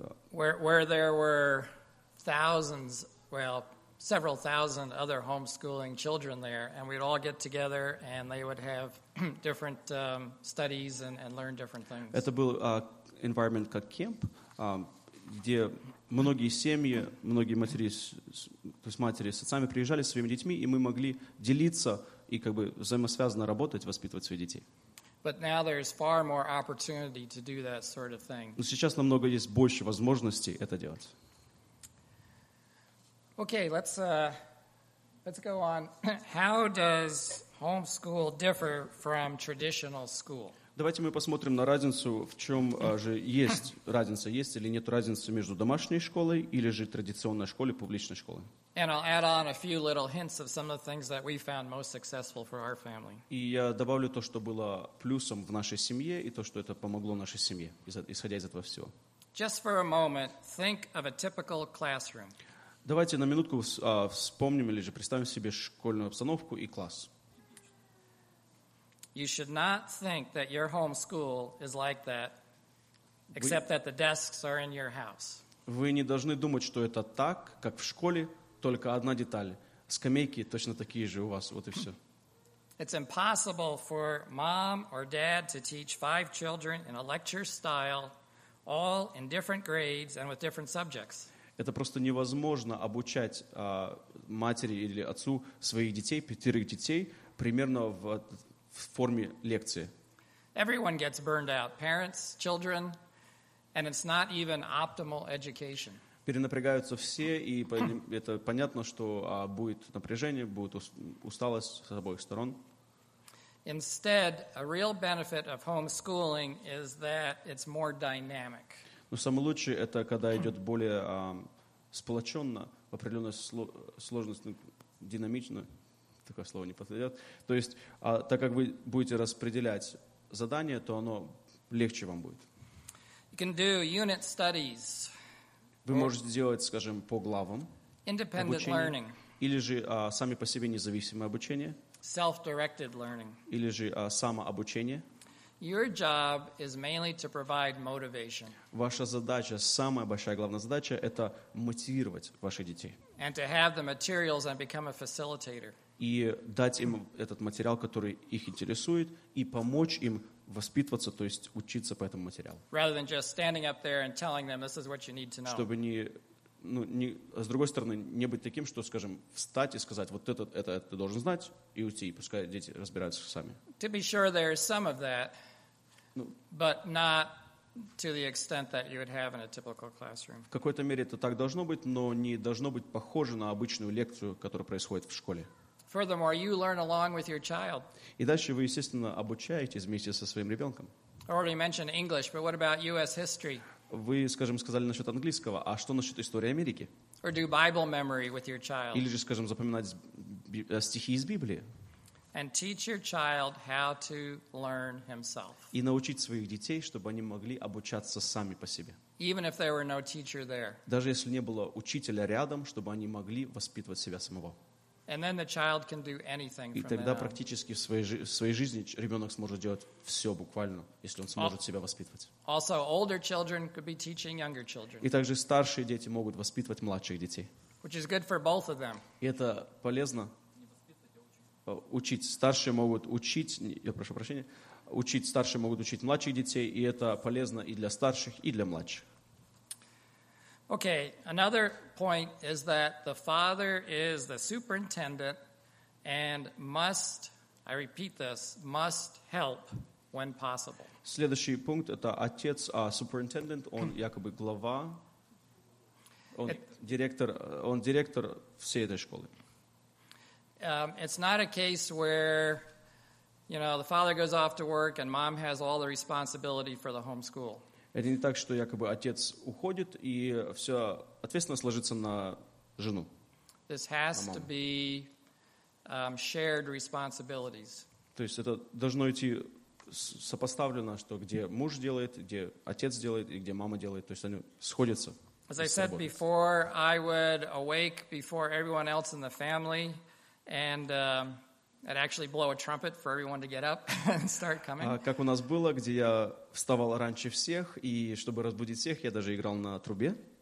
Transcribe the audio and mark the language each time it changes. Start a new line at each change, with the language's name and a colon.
English: Where there were thousands, well, several thousand other homeschooling children there, and we'd all get together, and they would have different studies and learn different things.
Russian: Это был environment как кемп, где многие семьи, многие матери, то есть матери с отцами приезжали со своими детьми, и мы могли делиться и как бы взаимосвязанно работать, воспитывать своих детей.
English: But now there's far more opportunity to do that sort of thing.
Russian: Но сейчас намного есть больше возможностей это делать.
English: Okay, let's go on. How does homeschool differ from traditional school?
Russian: Давайте мы посмотрим на разницу, в чем же есть разница, есть или нет разницы между домашней школой или же традиционной школой, публичной школой.
English: And I'll add on a few little hints of some of the things that we found most successful for our family.
Russian: И я добавлю то, что было плюсом в нашей семье, и то, что это помогло нашей семье, исходя из этого всего.
English: Just for a moment, think of a typical classroom.
Russian: Давайте на минутку вспомним или же представим себе школьную обстановку и класс.
English: You should not think that your home school is like that, except that the desks are in your house.
Russian: Вы не должны думать, что это так, как в школе, только одна деталь. Скамейки точно такие же у вас, вот и все.
English: It's impossible for mom or dad to teach 5 children in a lecture style, all in different grades and with different subjects.
Russian: Это просто невозможно обучать матери или отцу своих детей, 5 детей, примерно в форме лекции.
English: Everyone gets burned out. Parents, children, and it's not even optimal education.
Russian: Перенапрягаются все, и это понятно, что будет напряжение, будет усталость с обоих сторон.
English: Instead, a real benefit of homeschooling is that it's more dynamic.
Russian: Но самое лучшее, это когда идет более сплоченно, в определенной сложности, динамично. Такое слово не подойдет. То есть, так как вы будете распределять задания, то оно легче вам будет.
English: You can do unit studies.
Russian: Вы можете сделать, скажем, по главам.
English: Independent
Russian: обучение.
English: Learning.
Russian: Или же сами по себе независимое обучение.
English: Self-directed learning.
Russian: Или же самообучение.
English: Your job is mainly to provide motivation.
Russian: Ваша задача, самая большая главная задача, это мотивировать ваших детей.
English: And to have the materials and become a facilitator.
Russian: И дать им этот материал, который их интересует, и помочь им воспитываться, то есть учиться по этому материалу.
English: Rather than just standing up there and telling them this is what you need to know.
Russian: Чтобы не, ну, не, с другой стороны, не быть таким, что, скажем, встать и сказать, вот это ты должен знать, и уйти, и пускай дети разбираются сами.
English: To be sure there is some of that, but not to the extent that you would have in a typical classroom.
Russian: В какой-то мере это так должно быть, но не должно быть похоже на обычную лекцию, которая происходит в школе.
English: Furthermore, you learn along with your child.
Russian: И дальше вы, естественно, обучаетесь вместе со своим ребенком.
English: I already mentioned English, but what about U.S. history?
Russian: Вы, скажем, сказали насчет английского, а что насчет истории Америки?
English: Or do Bible memory with your child.
Russian: Или же, скажем, запоминать стихи из Библии.
English: And teach your child how to learn himself.
Russian: И научить своих детей, чтобы они могли обучаться сами по себе.
English: Even if there were no teacher there.
Russian: Даже если не было учителя рядом, чтобы они могли воспитывать себя самого.
English: And then the child can do anything.
Russian: И тогда практически в своей жизни ребенок сможет делать все буквально, если он сможет себя воспитывать.
English: Also, older children could be teaching younger children.
Russian: И также старшие дети могут воспитывать младших детей.
English: Which is good for both of them.
Russian: И это полезно. Учить старшие могут учить, я прошу прощения, учить старшие могут учить младших детей, и это полезно и для старших, и для младших.
English: Okay, another point is that the father is the superintendent and must, I repeat this, must help when possible.
Russian: Следующий пункт это отец, superintendent, он якобы глава, он директор всей этой школы.
English: It's not a case where, you know, the father goes off to work and mom has all the responsibility for the homeschool.
Russian: Это не так, что якобы отец уходит и все ответственность ложится на жену.
English: This has to be shared responsibilities.
Russian: То есть это должно идти сопоставлено, что где муж делает, где отец делает и где мама делает. То есть они сходятся.
English: As I said before, I would awake before everyone else in the family. And I'd actually blow a trumpet for everyone to get up and start coming.
Russian: Как у нас было, где я вставал раньше всех, и чтобы разбудить всех, я даже играл на трубе.